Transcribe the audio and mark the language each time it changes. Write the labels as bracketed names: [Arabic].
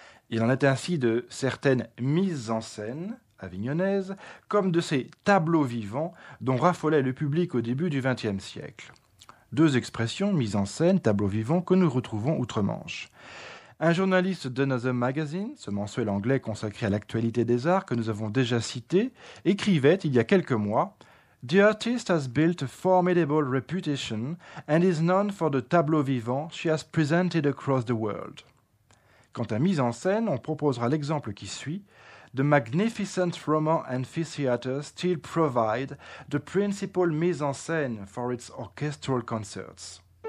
[French] Il en est ainsi de certaines mises en scène avignonnaises, comme de ces tableaux vivants dont raffolait le public au début du XXe siècle. Deux expressions, mises en scène, tableaux vivants, que nous retrouvons outre-Manche. Un journaliste d'Another Magazine, ce mensuel anglais consacré à l'actualité des arts que nous avons déjà cité, écrivait il y a quelques mois [English] The artist has built a formidable reputation and is known for the tableaux vivants she has presented across the world. [French] Quant à mise en scène, on proposera l'exemple qui suit. [English] The magnificent Roman amphitheater still provides the principal mise en scène for its orchestral concerts.